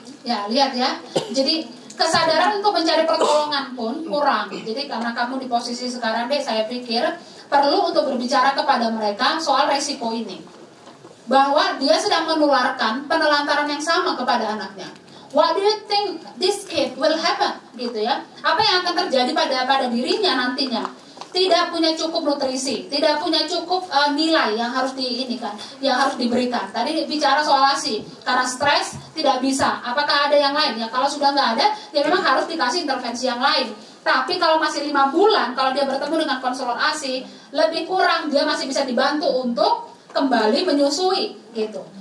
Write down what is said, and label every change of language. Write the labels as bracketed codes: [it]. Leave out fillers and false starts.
[id] Ya, lihat ya. Jadi kesadaran untuk mencari pertolongan pun kurang. Jadi karena kamu di posisi sekarang deh, saya pikir perlu untuk berbicara kepada mereka soal resiko ini. Bahwa dia sedang menularkan penelantaran yang sama kepada anaknya. [en] What do you think this kid will happen? [id] Gitu ya. Apa yang akan terjadi pada dirinya nantinya? Tidak punya cukup nutrisi, tidak punya cukup nilai yang harus di ini kan, yang harus diberikan. Tadi bicara soal ASI, karena stres tidak bisa. Apakah ada yang lain? Ya kalau sudah nggak ada, ya memang harus dikasih intervensi yang lain. Tapi kalau masih 5 bulan, kalau dia bertemu dengan konselor ASI, lebih kurang dia masih bisa dibantu untuk kembali menyusui gitu.